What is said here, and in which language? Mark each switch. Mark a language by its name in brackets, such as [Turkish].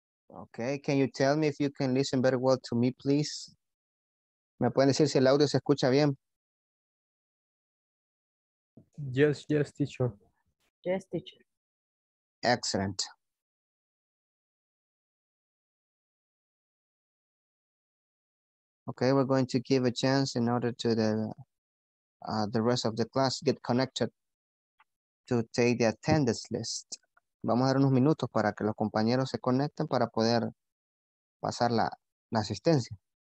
[English] Okay, can you tell me if you can listen very well to me, please? [Spanish] ¿Me pueden decir si el audio se escucha bien? [English] Yes, yes, teacher. Yes, teacher. Excellent. Okay, we're going to give a chance in order to the rest of the class get connected to take the attendance list. [Spanish] Vamos a dar unos minutos para que los compañeros se conecten para poder pasar la asistencia.